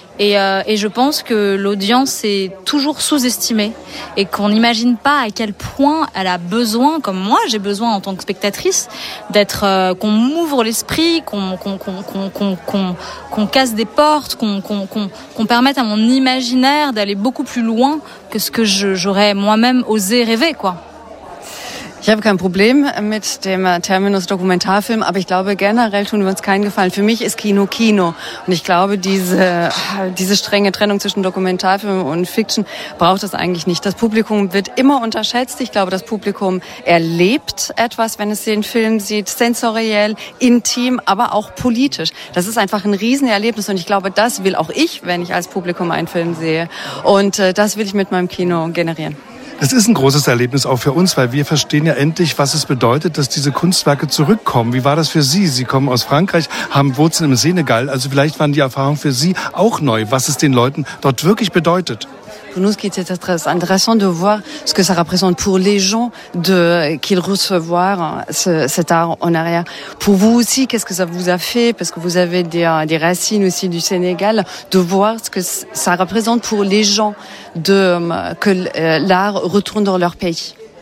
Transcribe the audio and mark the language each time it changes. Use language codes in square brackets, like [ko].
[fr] Et je pense que l'audience est toujours sous-estimée et qu'on n'imagine pas à quel point elle a besoin, comme moi j'ai besoin en tant que spectatrice, qu'on m'ouvre l'esprit, qu'on casse des portes, qu'on permette à mon imaginaire d'aller beaucoup plus loin que ce que j'aurais moi-même osé rêver, quoi. [de] Ich habe kein Problem mit dem Terminus Dokumentarfilm, aber ich glaube, generell tun wir uns keinen Gefallen. Für mich ist Kino Kino. Und ich glaube, diese strenge Trennung zwischen Dokumentarfilm und Fiction braucht es eigentlich nicht. Das Publikum wird immer unterschätzt. Ich glaube, das Publikum erlebt etwas, wenn es den Film sieht, sensoriell, intim, aber auch politisch. Das ist einfach ein Riesenerlebnis. Und ich glaube, das will auch ich, wenn ich als Publikum einen Film sehe. Und das will ich mit meinem Kino generieren. Das ist ein großes Erlebnis auch für uns, weil wir verstehen ja endlich, was es bedeutet, dass diese Kunstwerke zurückkommen. Wie war das für Sie? Sie kommen aus Frankreich, haben Wurzeln im Senegal. Also vielleicht waren die Erfahrungen für Sie auch neu, was es den Leuten dort wirklich bedeutet. [fr] Pour nous, ce qui était très intéressant de voir ce que ça représente pour les gens de qu'ils recevaient cet art en arrière. Pour vous aussi, qu'est-ce que ça vous a fait? Parce que vous avez des racines aussi du Sénégal, de voir ce que ça représente pour les gens de que l'art retourne dans leur pays.